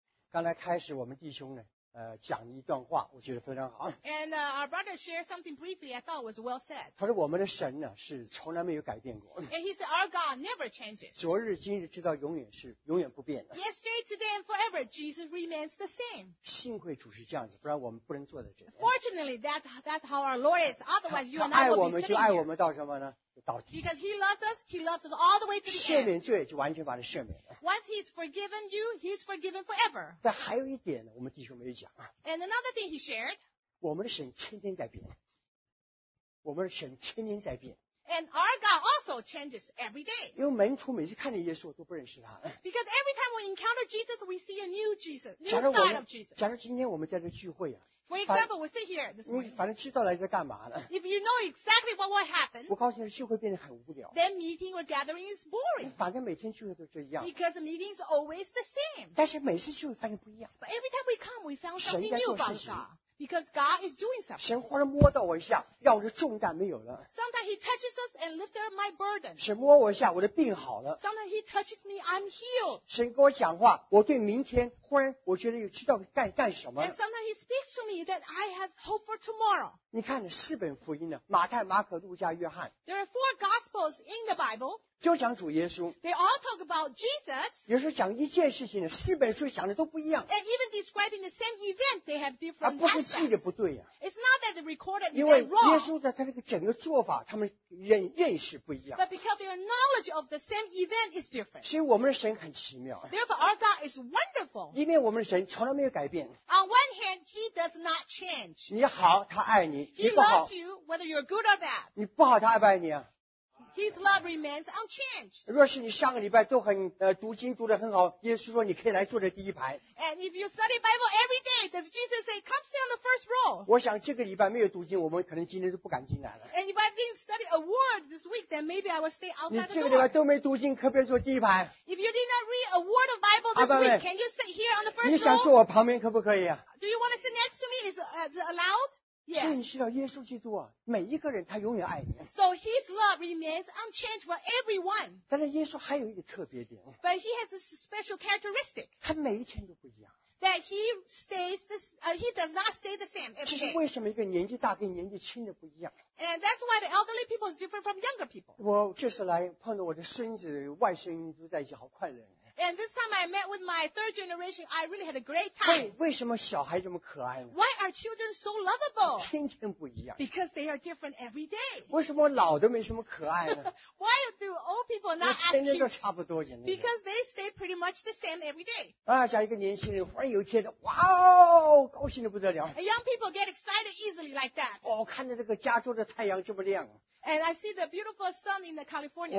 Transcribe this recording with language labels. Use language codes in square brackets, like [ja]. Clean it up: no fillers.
[zh] 刚才开始我们弟兄呢，讲一段话，我觉得非常好。 [en] And our brother shared something briefly I thought was well said. [zh] 他说我们的神呢是从来没有改变过。 [en] And he said our God never changes. [zh] 昨日今日直到永远是永远不变的。 [en] Yesterday, today, and forever, Jesus remains the same. [zh] 幸亏主是这样子，不然我们不能坐在这里。 [en] Fortunately, that's how our Lord is. Otherwise, you and I would be sitting here. [zh] 就爱我们到什么呢？ [en] Because he loves us all the way to the end. [zh] 赦免罪就完全把他赦免了。 [en] Once he's forgiven you, he's forgiven forever. [zh] 但还有一点我们弟兄没有讲。 [en] And another thing he shared. [zh] 我们的神天天在变。我们的神天天在变。 [en] And our God also changes every day. [zh] 因为门徒每次看见耶稣都不认识他。 [en] Because every time we encounter Jesus, we see a new Jesus, new side of Jesus. [zh] 假如今天我们在这聚会啊。 [en] For example, we sit here this morning. [zh] 反正知道来这干嘛呢？ [en] If you know exactly what will happen, [zh] 我告诉你，聚会变得很无聊。 [en] Then meeting or gathering is boring. [zh] 反正每天聚会都这样。 [en] Because the meeting is always the same. [zh] 但是每次聚会发现不一样。 [en] But every time we come, we found something new about God. Because God is doing something. [zh] 神忽然摸到我一下，让我的重担没有了。 [en] Sometimes he touches us and lifts up my burden. [zh] 神摸我一下，我的病好了。 [en] Sometimes he touches me, I'm healed. [zh] 神跟我讲话，我对明天忽然我觉得有知道干什么。 [en] And sometimes he speaks to me that I have hope for tomorrow. [zh] 你看四本福音呢，马太、马可、路加、约翰。 [en] There are four gospels in the Bible. [zh] 就讲主耶稣。 [en] They all talk about Jesus. [zh] 有时候讲一件事情呢，四本书讲的都不一样。 [en] And even describing the same event, they have different aspects. [zh] 不是记得不对呀。 [en] It's not that they recorded it wrong. [zh] 因为耶稣的他这个整个做法，他们认识不一样。 [en] But because their knowledge of the same event is different. [zh] 所以我们的神很奇妙。 [en] Therefore, our God is wonderful. [zh] 因为我们的神从来没有改变。 [en] On one hand, He does not change. [zh] 你好，他爱你。 [en] He loves you whether you're good or bad. [zh] 你不好，他爱不爱你啊？ [en] His love remains unchanged. [zh] 若是你上个礼拜都很读经读得很好，耶稣说你可以来坐在第一排。 [en] And if you study Bible every day, does Jesus say, "Come sit on the first row"? [zh] 我想这个礼拜没有读经，我们可能今天都不敢进来了。 [en] And if I didn't study a word this week, then maybe I will stay outside. [zh] 你这个礼拜都没读经，可别坐第一排。 [en] If you did not read a word of Bible this week, can you sit here on the first row? [zh] 你想坐我旁边可不可以啊？ [en] Do you want to sit next to me? Is allowed? [zh] 所以你知道耶稣基督啊，每一个人他永远爱你。 [en] So his love remains unchanged for everyone. [zh] 但是耶稣还有一个特别点。 [en] But he has a special characteristic. [zh] 他每一天都不一样。 [en] That he stays he does not stay the same every day. [zh] 这是为什么一个年纪大跟年纪轻的不一样。 [en] And that's why the elderly people is different from younger people. [zh] 我这次来碰到我的孙子外孙都在一起，好快乐。 [en] And this time I met with my third generation, I really had a great time. [zh] 为什么小孩这么可爱呢？ [en] Why are children so lovable? [zh] 天天不一样。 [en] Because they are different every day. [zh] 为什么老的没什么可爱呢？ [en] Why do old people not act cute? [zh] 天天都差不多，简直。 [en] Because they stay pretty much the same every day. [zh] 啊，像一个年轻人，忽然有一天，哇哦，高兴得不得了。 [en] And young people get excited easily like that. [zh] 哦，看着这个加州的太阳这么亮。 [en] And I see the beautiful sun in the California.